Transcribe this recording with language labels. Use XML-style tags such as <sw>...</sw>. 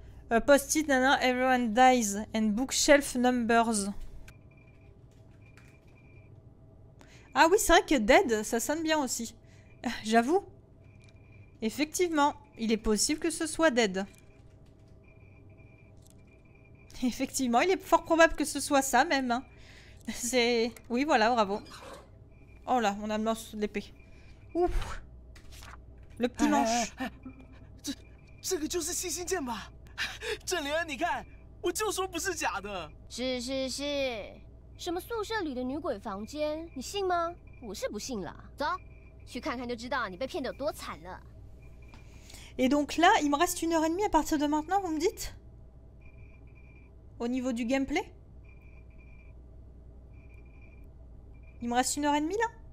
<en>A post-it, nana, everyone dies, and bookshelf numbers.</en> <fr>Ah oui, c'est vrai que dead, ça sonne bien aussi. J'avoue. Effectivement, il est possible que ce soit dead. Effectivement, il est fort probable que ce soit ça même. Hein. C'est... Oui, voilà, bravo. Oh là, on a l'épée. Ouf. Le petit manche.</fr> <zh>这个就是星星剑吧？郑灵恩，你看，我就说不是假的。是是是，什么宿舍里的女鬼房间，你信吗？我是不信了。走，去看看就知道你被骗得有多惨了。</zh> <fr>Et donc là, il me reste une heure et demie à partir de maintenant, vous me dites? Au niveau du gameplay? Il me reste une heure et demie là?</fr>